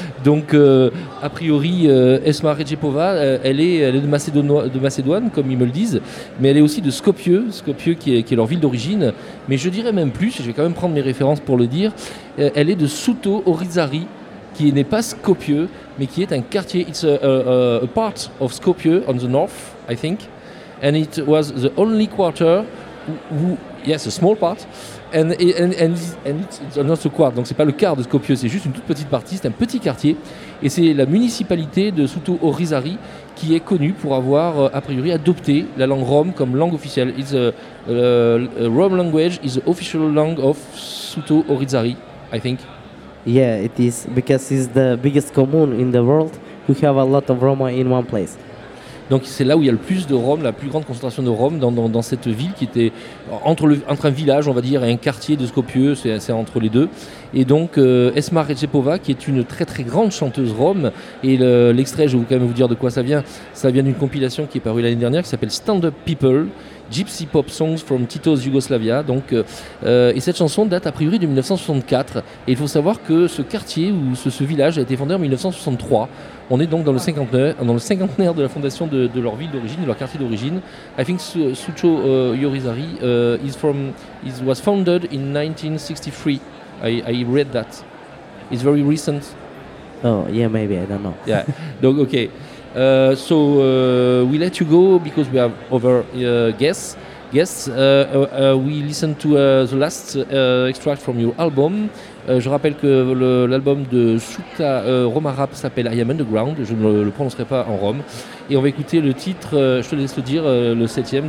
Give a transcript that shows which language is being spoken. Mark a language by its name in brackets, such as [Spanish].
[French] Donc, a priori, Esma Recepova, elle est de Macédoine, comme ils me le disent, mais elle est aussi de Skopje qui est leur ville d'origine. Mais je dirais même plus, je vais quand même prendre mes références pour le dire, elle est de Souto Orizari, qui n'est pas Skopje, mais qui est un quartier. [English] It's a part of Skopje on the north, I think. And it was the only quarter who, yes, a small part. And it's not a quart, [French] donc c'est pas le quart de Skopje, c'est juste une toute petite partie, c'est un petit quartier, et c'est la municipalité de Souto Orizari qui est connue pour avoir a priori adopté la langue rom comme langue officielle. [English] It's a rom language is the official language of Souto Orizari, I think. Yeah, it is, because it's the biggest commune in the world who have a lot of Roma in one place. [French] Donc c'est là où il y a le plus de Roms, la plus grande concentration de Roms dans cette ville qui était entre un village, on va dire, et un quartier de Skopje, c'est entre les deux. Et donc Esma Recepova, qui est une très très grande chanteuse Roms, et l'extrait, je vais quand même vous dire de quoi ça vient d'une compilation qui est parue l'année dernière qui s'appelle Stand Up People, Gypsy Pop Songs from Tito's Yugoslavia. Donc, et cette chanson date a priori de 1964. Et il faut savoir que ce quartier ou ce village a été fondé en 1963. On est donc dans le cinquantenaire de la fondation de leur ville d'origine, de leur quartier d'origine. [English] I think Souto Orizari was founded in 1963. I read that. It's very recent. Oh yeah, maybe, I don't know. [French] Yeah. Donc okay. [English] So we let you go because we have other guests. We listen to the last extract from your album. [French] Je rappelle que l'album de Souta Roma Rap s'appelle I Am Underground. Je ne le prononcerai pas en rom. Et on va écouter le titre, je te laisse le dire, le septième.